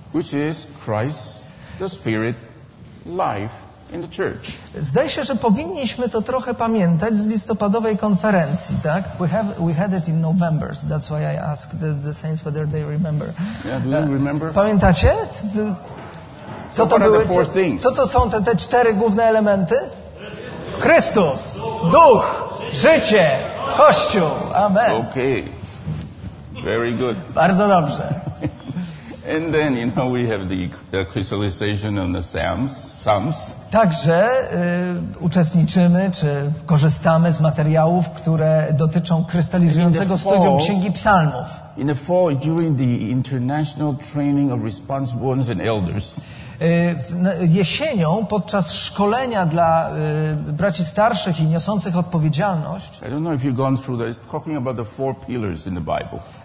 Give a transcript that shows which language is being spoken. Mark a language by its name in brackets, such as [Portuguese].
[English] Which is Christ, the Spirit, life. In the church. [Polish] Zdaje się, że powinniśmy to trochę pamiętać z listopadowej konferencji, tak? [English] We had it in November, so that's why I asked the saints whether they remember. Yeah, do you remember? [Polish] Pamiętacie? Co to były? Co to są te cztery główne elementy? Chrystus, Duch, życie, Kościół. Amen. [English] Okay. Very good. [Polish] Bardzo dobrze. [English] And then, you know, we have the crystallization on the Psalms. [Polish] Także uczestniczymy, czy korzystamy z materiałów, które dotyczą krystalizującego studium Księgi Psalmów. [English] In the fall, during the international training of responsible ones and elders. [Polish] Jesienią, podczas szkolenia dla braci starszych i niosących odpowiedzialność. [English] I don't know if you've gone through that. It's talking about the four pillars in the Bible.